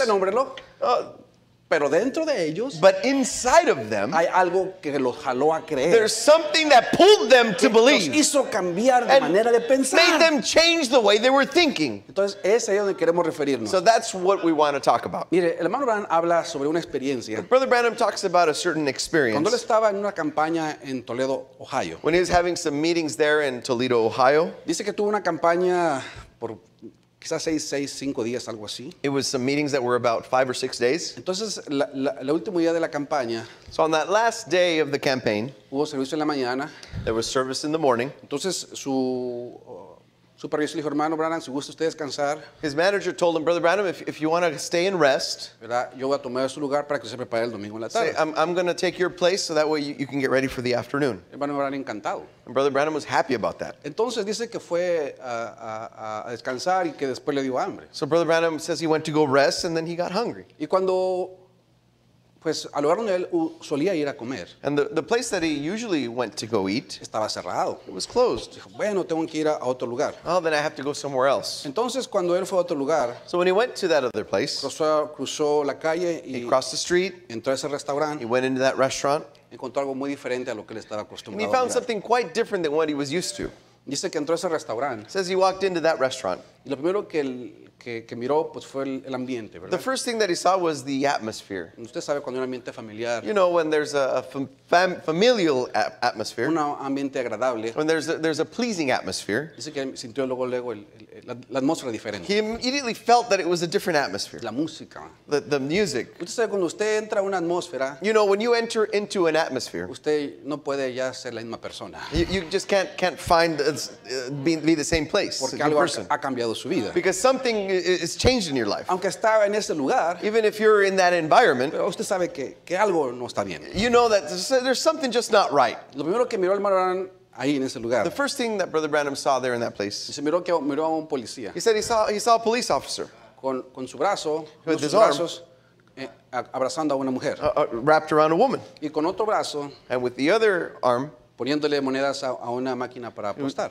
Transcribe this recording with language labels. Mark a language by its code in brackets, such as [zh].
[es] Usted nómbrelo. Pero dentro de ellos, [en] but inside of them, [es] hay algo que los jaló a creer. [en] There's something that pulled them to believe. [es] Los hizo cambiar de manera de pensar. [en] Made them change the way they were thinking. [es] Entonces, es ahí donde queremos referirnos. [en] So that's what we want to talk about. [es] Mire, el hermano Branham habla sobre una experiencia. [en] Brother Branham talks about a certain experience. [es] Cuando él estaba en una campaña en Toledo, Ohio. [en] When he was having some meetings there in Toledo, Ohio. [es] Dice que tuvo una campaña por quizás cinco días, algo así. [en] It was some meetings that were about 5 or 6 days. [es] Entonces, el último día de la campaña. [en] So on that last day of the campaign. [es] Hubo servicio en la mañana. [en] There was service in the morning. [es] Entonces, su supervisor dijo, hermano Branham, si gusta usted descansar. [en] His manager told him, Brother Branham, if you want to stay and rest. [es] ¿Verdad? Yo voy a tomar su lugar para que se prepare el domingo en la tarde. [en] Say, I'm going to take your place so that way you can get ready for the afternoon. [es] Hermano Branham encantado. [en] And Brother Branham was happy about that. [es] Entonces dice que fue a descansar y que después le dio hambre. [en] So Brother Branham says he went to go rest and then he got hungry. [es] Y cuando, pues, al lugar donde él solía ir a comer. [en] And the place that he usually went to go eat. [es] Estaba cerrado. [en] It was closed. [es] Dijo, bueno, tengo que ir a otro lugar. [en] Oh, then I have to go somewhere else. [es] Entonces, cuando él fue a otro lugar. [en] So when he went to that other place. [es] Cruzó la calle. Y [en] he crossed the street. [es] Entró a ese restaurante. [en] He went into that restaurant. [es] Encontró algo muy diferente a lo que él estaba acostumbrado. [en] And he found something quite different than what he was used to. [es] Dice que entró a ese restaurante. [en] Says he walked into that restaurant. [es] Y lo primero que él. Que miró, pues, fue el ambiente, ¿verdad? [en] The first thing that he saw was the atmosphere. [es] Usted sabe, cuando hay un ambiente familiar, [en] you know, when there's a familial atmosphere. [es] Un ambiente agradable. [en] When there's a pleasing atmosphere. [es] Dice que sintió luego la atmósfera diferente. [en] He immediately felt that it was a different atmosphere. [es] La música. [en] The music. [es] Usted sabe, cuando usted entra a una atmósfera. [en] You know, when you enter into an atmosphere. [es] Usted no puede ya ser la misma persona. [en] You just can't find be the same place. [es] Porque algo ha cambiado su vida. [en] Because something is changed in your life. [es] Aunque está en ese lugar, [en] even if you're in that environment, [es] pero usted sabe que algo no está bien. [en] You know that there's something just not right. [es] Lo primero que miró el hermano Branham ahí en ese lugar, [en] the first thing that Brother Branham saw there in that place, [es] se miró que miró a un policía. [en] He said he saw a police officer [es] con su brazo, [en] with [es] sus brazos, [en] arm, [es] abrazando a una mujer, [en] wrapped around a woman, [es] y con otro brazo, [en] and with the other arm, [es] poniéndole monedas a una máquina para apostar.